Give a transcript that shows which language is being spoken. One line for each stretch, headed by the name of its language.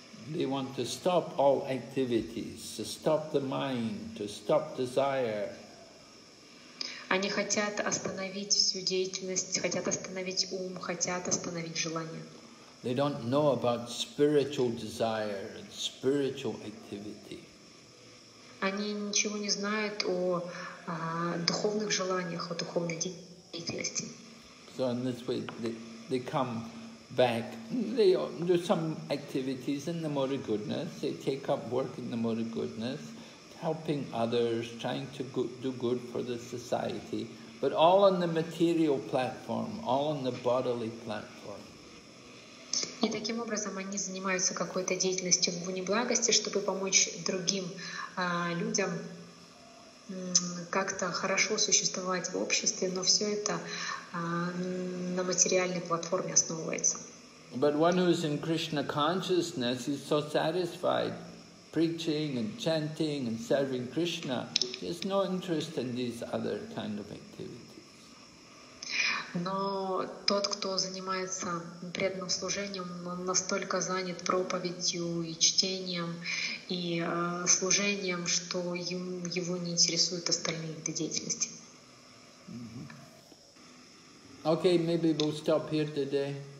English: They want to stop all activities, to stop the mind, to stop desire.
Russian: Они хотят остановить всю деятельность, хотят остановить ум, хотят остановить желание.
English: They don't know about spiritual desire and spiritual activity.
Russian: Они ничего не знают о духовных желаниях, о духовной деятельности.
English: So in this way, they come back. They do some activities in the mode of goodness. They take up work in the mode of goodness, helping others, trying to do good for the society, but all on the material platform, all on the bodily platform.
Russian: И таким образом они занимаются какой-то деятельностью в неблагости, чтобы помочь другим людям как-то хорошо существовать в обществе, но все это на материальной платформе основывается.
English: But one who is in Krishna consciousness is so satisfied preaching and chanting and serving Krishna, he has no interest in these other kind of activities.
Russian: Но тот, кто занимается преданным служением, он настолько занят проповедью и чтением и служением, что его не интересуют остальные виды деятельности.
English: Mm-hmm. Okay, maybe we'll stop here today.